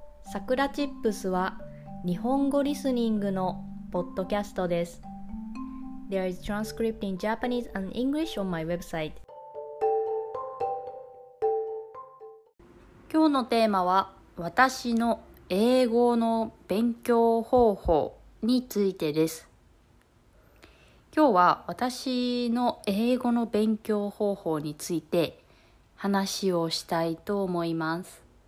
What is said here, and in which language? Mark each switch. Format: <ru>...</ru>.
<ja>さくらチップスは日本語リスニングのポッドキャストです。</ja> <en>There is transcript in Japanese and English on my website。</en> <ja>今日のテーマは私の英語の勉強方法についてです。今日は私の英語の勉強方法について話をしたいと思います。</ja>